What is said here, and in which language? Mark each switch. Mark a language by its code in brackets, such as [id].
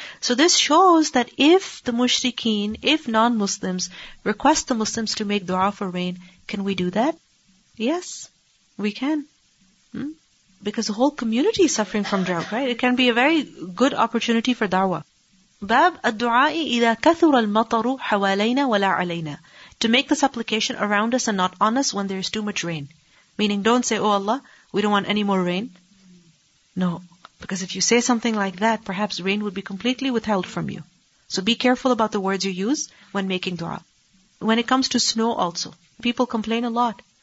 [en] So this shows that if the mushrikeen, if non-Muslims, request the Muslims to make dua for rain, can we do that? Yes, we can. Because the whole community is suffering from drought, right? It can be a very good opportunity for da'wah. [ar] Bab الدعائي إذا كثر المطر حوالينا ولا علينا. [en] To make the supplication around us and not on us when there is too much rain. Meaning don't say, oh Allah, we don't want any more rain. No. Because if you say something like that, perhaps rain would be completely withheld from you. So be careful about the words you use when making dua. When it comes to snow also, people complain a lot.